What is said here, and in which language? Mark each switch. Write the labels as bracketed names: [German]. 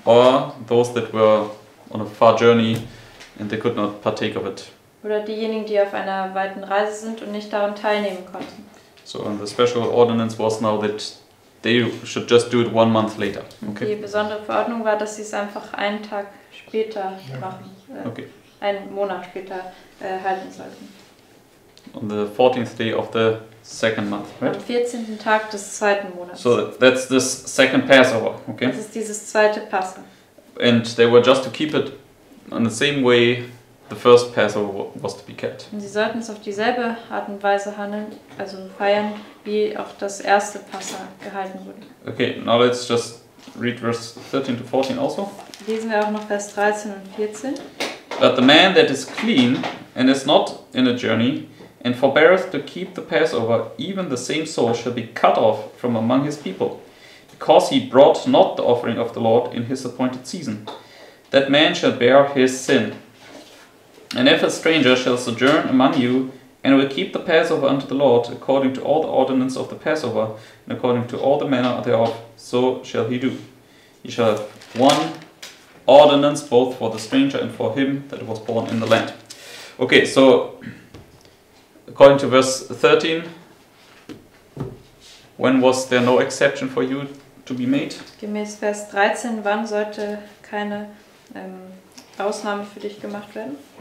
[English] Or those that were on a far journey, and they could not partake of it. [German] Oder diejenigen, die auf einer weiten Reise sind und nicht daran teilnehmen konnten. [English] So, and the special ordinance was now that they should just do it 1 month later. Okay. [German] Die besondere Verordnung war, dass sie es einfach einen Tag später machen, okay. Einen Monat später halten sollten. [English] On the 14th day of the second month, right? [German] Am 14. Tag des zweiten Monats. [English] So that's this second Passover, okay? [German] Das ist dieses zweite Passen. [English] And they were just to keep it in the same way the first Passover was to be kept. [German] Und sie sollten es auf dieselbe Art und Weise handeln, also feiern, wie auch das erste Passa gehalten wurde. [English] Okay, now let's just read verse 13 to 14 also. [German] Lesen wir auch noch Vers 13 und 14. [English] But the man that is clean and is not in a journey and forbeareth to keep the Passover, even the same soul shall be cut off from among his people, because he brought not the offering of the Lord in his appointed season. That man shall bear his sin. And if a stranger shall sojourn among you, and will keep the Passover unto the Lord, according to all the ordinance of the Passover, and according to all the manner thereof, so shall he do. He shall have one ordinance both for the stranger and for him that was born in the land. Okay, so according to verse 13, when was there no exception for you to be made? [German] Gemäß Vers 13, wann sollte keine Ausnahme für dich gemacht werden?